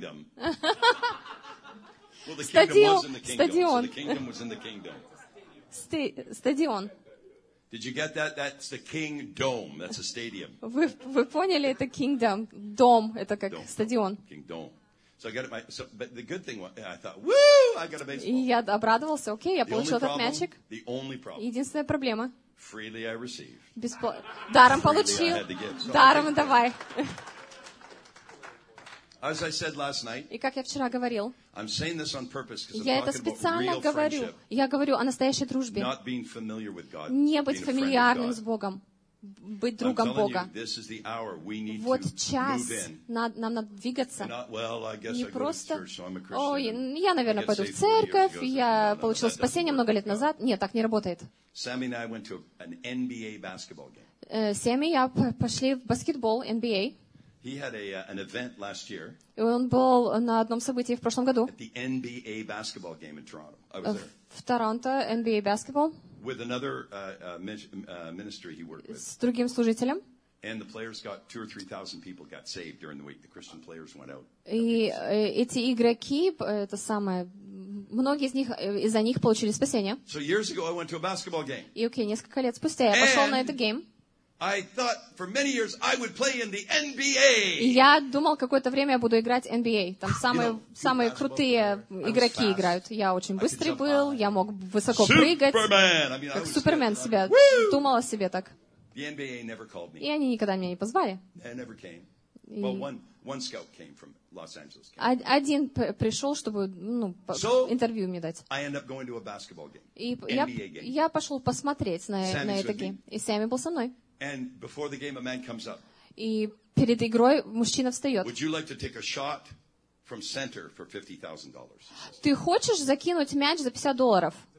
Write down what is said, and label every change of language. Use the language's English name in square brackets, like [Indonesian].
[English] The well, the Kingdom was in the Kingdom. Stadion. So the Kingdom was in the Kingdom. Stadion. Did you get that? That's the Kingdom. That's a stadium. [Russian] Вы поняли, это Kingdom. Dom, это как стадион. [English] Kingdom. So I got my. So, but the good thing was, I thought, woo, I got a baseball. [Russian] Я обрадовался, окей, я получил этот мячик. [English] The only problem. [Russian] Единственная проблема. [English] Freely I received. [Russian] Даром получил. Даром давай. [English] As I said last night. [Russian] И как я вчера говорил. [English] I'm saying this on purpose because I'm talking about real friendship. [Russian] Я это специально говорю. Я говорю о настоящей дружбе. [English] Not being familiar with God. [Russian] Не быть фамильярным с Богом. Быть другом Бога. [English] This is the hour we need to move in. [Russian] Вот час. Нам надо двигаться. Не просто. Ой, я, наверное, пойду в церковь. Я получил спасение много лет назад. Нет, так не работает. [English] Sammy and I went to an NBA basketball game. [Russian] семьи, я пошли в баскетбол, NBA. [English] He had an event last year. [Russian] Он был на одном событии в прошлом году. [English] At the NBA basketball game in Toronto. I was there. [Russian] В Торонто, NBA basketball. [English] With another ministry he worked with. [Russian] С другим служителем. [English] And the players got 2,000 or 3,000 people got saved during the week. The Christian players went out. [Russian] И эти игроки, это самое, многие из них из-за них получили спасение. [English] So years ago I went to a basketball game. [Russian] И окей, несколько лет спустя я пошел на этот гейм. [English] I thought for many years I would play in the NBA. [Russian] Я думал какое-то время я буду играть NBA. Там самые крутые игроки играют. Я очень быстрый был, я мог высоко прыгать. [English] Superman. [Russian] Как Супермен себя. Думал о себе так. [English] The NBA never called me. [Russian] И они никогда меня не позвали. [English] I never came. Well, one scout came from Los Angeles. [Russian] Один пришел, чтобы интервью мне дать. [English] I ended up going to a basketball game. [Russian] Я пошел посмотреть на этот гейм. И Сэмми был со мной. [English] And before the game, a man comes up. [Russian] И перед игрой мужчина встает. [English] Would you like to take a shot from center for $50,000? [Russian] Ты хочешь закинуть мяч за $50?